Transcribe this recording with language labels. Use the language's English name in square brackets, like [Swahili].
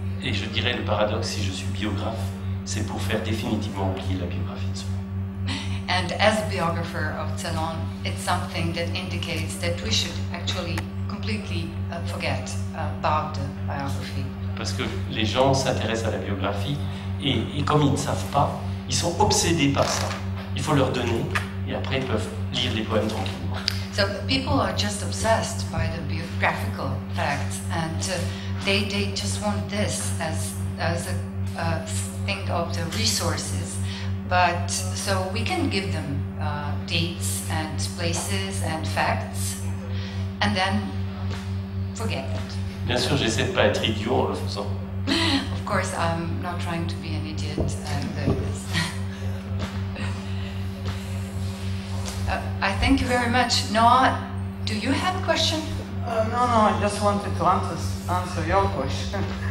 [French] Et je dirais le paradoxe, si je suis biographe, c'est pour faire définitivement oublier la biographie de soi. [English] And as a biographer of Celan, it's something that indicates that we should actually completely forget about the biography. [French] Parce que les gens s'intéressent à la biographie et comme ils ne savent pas, ils sont obsédés par ça. Il faut leur donner et après ils peuvent lire les poèmes tranquillement. [English] So people are just obsessed by the biographical facts and they just want this as a thing of the resources, but so we can give them dates and places and facts, and then forget it. [French] Bien sûr, j'essaie de pas être idiot en le faisant. [English] Of course, I'm not trying to be an idiot. And I thank you very much. Noah, do you have a question? No, I just wanted to answer your question.